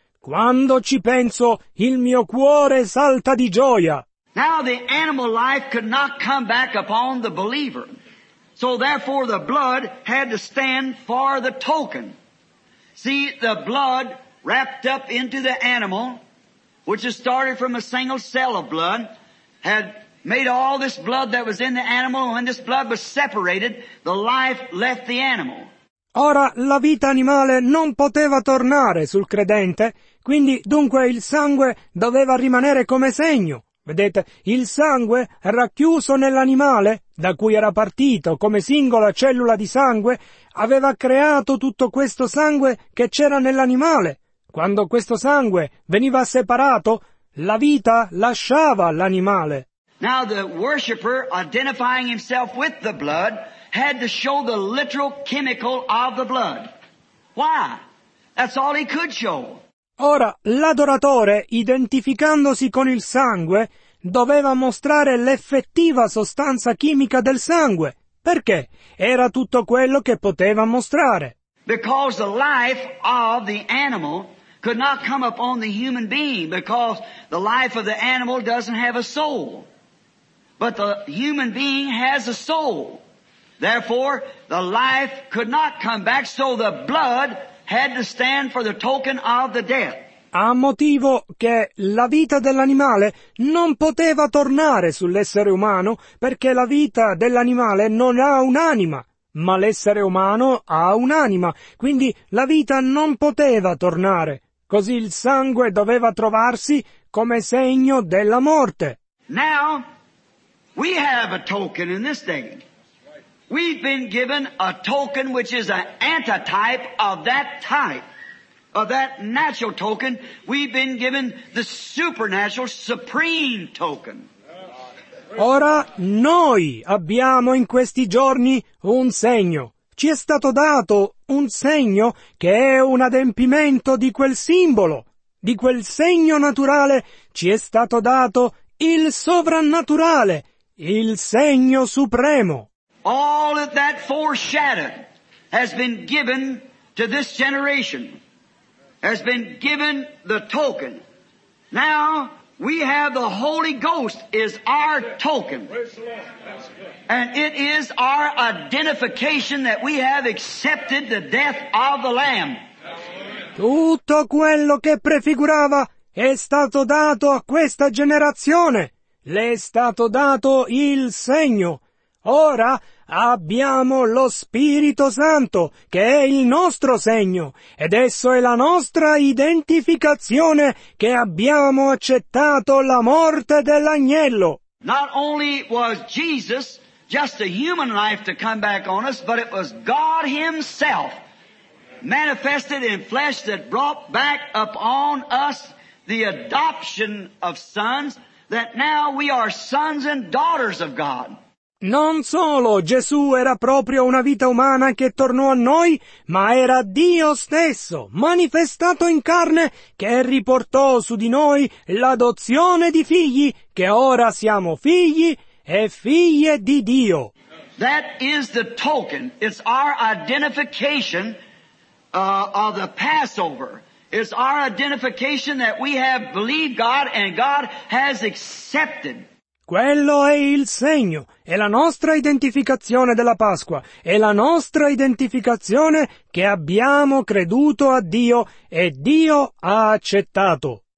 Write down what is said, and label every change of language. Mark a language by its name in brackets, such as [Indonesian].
[Italian] Quando ci penso, il mio cuore salta di gioia. [English] Now the animal life could not come back upon the believer. So therefore the blood had to stand for the token. See, the blood wrapped up into the animal, which is started from a single cell of blood, had made all this blood that was in the animal, and when this blood was separated, the life left the animal. [Italian] Ora la vita animale non poteva tornare sul credente, quindi dunque il sangue doveva rimanere come segno. Vedete, il sangue racchiuso nell'animale, da cui era partito come singola cellula di sangue, aveva creato tutto questo sangue che c'era nell'animale. Quando questo sangue veniva separato, la vita lasciava l'animale. [English] Now the worshipper, identifying himself with the blood, had to show the literal chemical of the blood. Why? That's all he could show. [Italian] Ora, l'adoratore, identificandosi con il sangue, doveva mostrare l'effettiva sostanza chimica del sangue. Perché? Era tutto quello che poteva mostrare. [English] Because the life of the animal could not come upon the human being, because the life of the animal doesn't have a soul. But the human being has a soul. Therefore, the life could not come back, so the blood had to stand for the token of the death. [Italian] A motivo che la vita dell'animale non poteva tornare sull'essere umano, perché la vita dell'animale non ha un'anima, ma l'essere umano ha un'anima, quindi la vita non poteva tornare. Così il sangue doveva trovarsi come segno della morte. [English] Now, we have a token in this day. We've been given a token which is an antitype of that type, of that natural token. We've been given the supernatural, supreme token. [Italian] Ora noi abbiamo in questi giorni un segno. Ci è stato dato un segno che è un adempimento di quel simbolo, di quel segno naturale. Ci è stato dato il sovrannaturale, il segno supremo. [English] All of that foreshadowed has been given to this generation, has been given the token. Now we have the Holy Ghost is our token. And it is our identification that we have accepted the death of the Lamb. [Italian] Tutto quello che prefigurava è stato dato a questa generazione. Le è stato dato il segno. Ora abbiamo lo Spirito Santo, che è il nostro segno, ed esso è la nostra identificazione che abbiamo accettato la morte dell'agnello. [English] Not only was Jesus just a human life to come back on us, but it was God Himself manifested in flesh that brought back upon us the adoption of sons, that now we are sons and daughters of God. [Italian] Non solo Gesù era proprio una vita umana che tornò a noi, ma era Dio stesso, manifestato in carne, che riportò su di noi l'adozione di figli, che ora siamo figli e figlie di Dio. [English] That is the token. It's our identification of the Passover. It's our identification that we have believed God and God has accepted. [Italian] Quello è il segno, è la nostra identificazione della Pasqua, è la nostra identificazione che abbiamo creduto a Dio e Dio ha accettato.